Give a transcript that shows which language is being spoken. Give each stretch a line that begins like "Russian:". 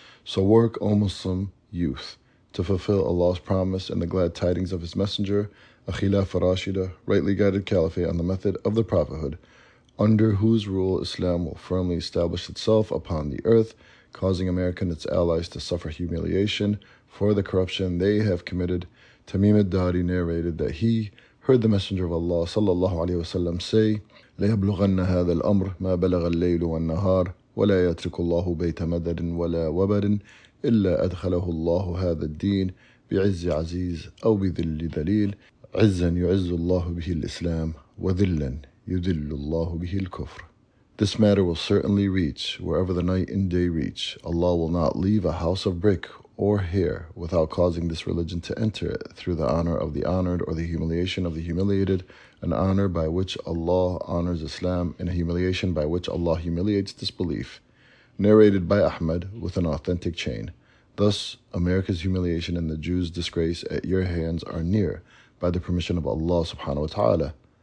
English: So work, O Muslim youth, to fulfill Allah's promise and the glad tidings of His Messenger, a Khilafah Rashida, rightly guided caliphate on the method of the prophethood, under whose rule Islam will firmly establish itself upon the earth, causing America and its allies to suffer humiliation for the corruption they have committed. Tamim al-Dari narrated that he heard the Messenger of Allah sallallahu alayhi wa sallam say,
Arabic: لَيَبْلُغَنَّ هَذَا الْأَمْرِ مَا بَلَغَ اللَّيْلُ وَالنَّهَارِ وَلَا يَتْرِكُ اللَّهُ بَيْتَ مَدَدٍ وَلَا وَبَدٍ إِلَّا أَدْخَلَهُ اللَّهُ هَذَا الدِّينَ بِعِزِّ عَزِيزٍ أَوْ بِذِلِّ ذَلِيلٍ عِزًّا يُعِزُّ اللَّهُ بِهِ الْإِسْلَامِ وَذِلًّا يُذِلُّ اللَّهُ بِهِ الْكُفْرِ
English: This matter will certainly reach wherever the night and day reach. Allah will not leave a house of brick or hair without causing this religion to enter it through the honor of the honored or the humiliation of the humiliated, an honor by which Allah honors Islam and a humiliation by which Allah humiliates disbelief. Narrated by Ahmed with an authentic chain. Thus, America's humiliation and the Jews' disgrace at your hands are near by the permission of Allah subhanahu wa ta'ala.